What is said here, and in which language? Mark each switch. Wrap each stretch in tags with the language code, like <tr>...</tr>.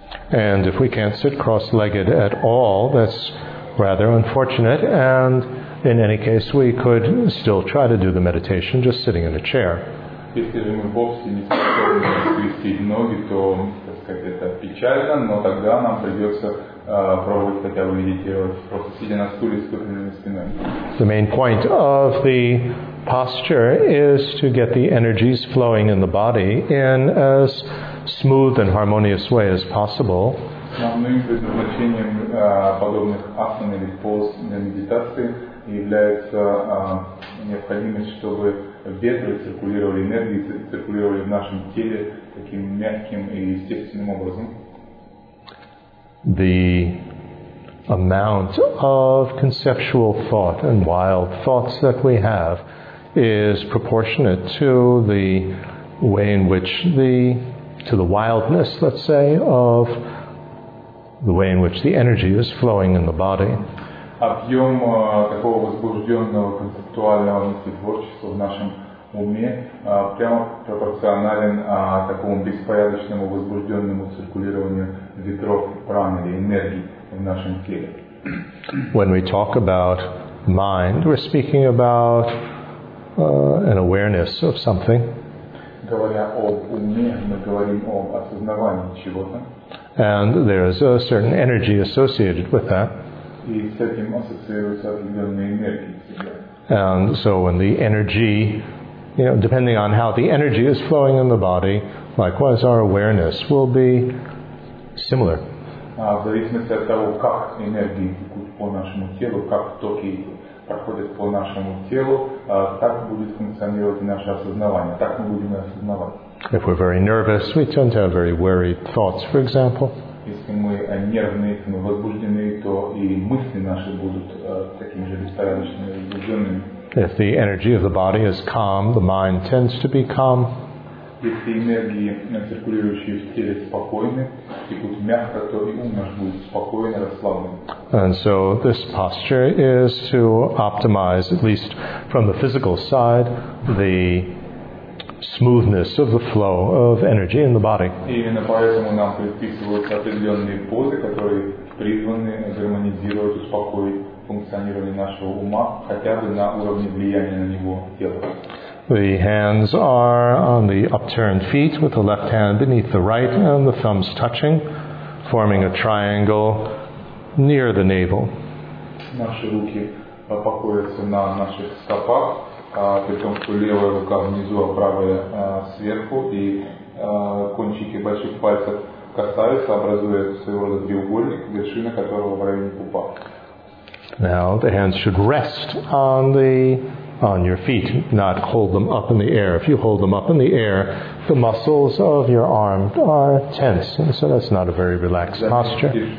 <en>And if we can't sit cross-legged at all, that's rather unfortunate, and in any case we could still try to do the meditation just sitting in a chair.</en> <ru>Если же мы вовсе не способны скрестить ноги, то, так сказать, это печально, но тогда нам придется пробовать хотя бы медитировать, просто сидя на стуле с выпрямленной спиной.</ru> <en>The main point of the posture is to get the energies flowing in the body in as smooth and harmonious way as possible.</en> <ru>Основным предназначением подобных асан или поз для медитации является необходимость, чтобы ветры циркулировали энергии, циркулировали в нашем теле таким мягким и естественным образом.</ru> <en>The amount of conceptual thought and wild thoughts that we have is proportionate to the way in which the wildness, let's say, of the way in which the energy is flowing in the body.</en> <ru>Объем такого возбужденного концептуального мыслетворчества в нашем уме прямо пропорционален такому беспорядочному возбужденному циркулированию ветров праны или энергии в нашем теле.</ru> <en>When we talk about mind, we're speaking about an awareness of something.</en> <ru>Говоря об уме, мы говорим об осознавании чего-то.</ru> <en>And there is a certain energy associated with that.</en> <ru>И с этим ассоциируется определенная энергия.</ru> <en>And so when the energy, you know, depending on how the energy is flowing in the body, likewise our awareness will be similar.</en> <ru>В зависимости от того, как энергии текут по нашему телу, как токи проходят по нашему телу, так будет функционировать наше осознавание, так мы будем осознавать.</ru> <en>If we're very nervous, we tend to have very worried thoughts, for example.</en> <ru>Если мы нервны, если мы возбуждены, то и мысли наши будут такими же беспорядочными и возбужденными.</ru> <en>If the energy of the body is calm, the mind tends to be calm.</en> <ru>Если энергии, циркулирующие в теле, спокойны, и будут мягко, то и ум наш будет спокойный, расслабленный.</ru> <en>And so this posture is to optimize, at least from the physical side, the smoothness of the flow of energy in the body.</en> <ru>И именно поэтому нам предписываются определенные позы, которые призваны гармонизировать, успокоить функционирование нашего ума, хотя бы на уровне влияния на него тела.</ru> <en>The hands are on the upturned feet with the left hand beneath the right and the thumbs touching, forming a triangle near the navel.</en> <ru>Наши руки покоятся на наших стопах, при том, что левая рука внизу, а правая сверху, и кончики больших пальцев касаются, образуя своего рода треугольник, вершина которого в районе пупа.</ru> <en>Now the hands should rest on the on your feet, not hold them up in the air. If you hold them up in the air, the muscles of your arm are tense, and so that's not a very relaxed posture.</en>